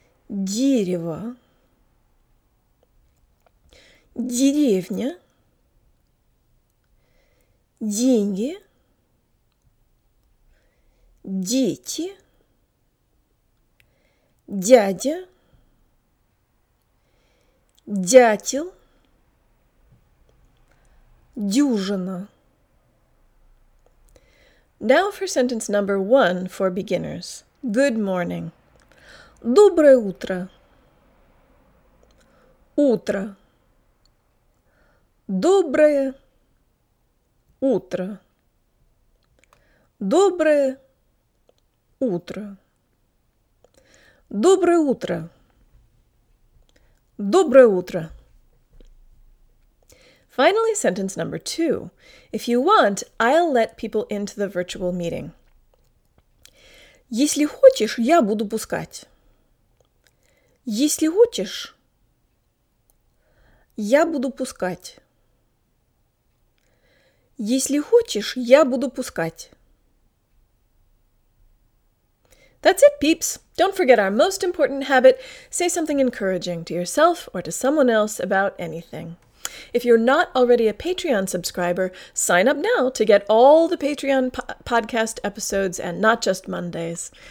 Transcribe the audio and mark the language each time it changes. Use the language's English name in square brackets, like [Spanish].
[Russian] Дерево, деревня, деньги, дети, дядя, дятел, дюжина. [English] Now for sentence number one for beginners. Good morning. [Russian] Доброе утро. Утро. Доброе утро. Доброе утро. Доброе утро. Доброе утро. [English] Finally, sentence number two. If you want, I'll let people into the virtual meeting. [Russian] Если хочешь, я буду пускать. Если хочешь, я буду пускать. Если хочешь, я буду пускать. [English] That's it, peeps. Don't forget our most important habit. Say something encouraging to yourself or to someone else about anything. If you're not already a Patreon subscriber, sign up now to get all the Patreon podcast episodes and not just Mondays.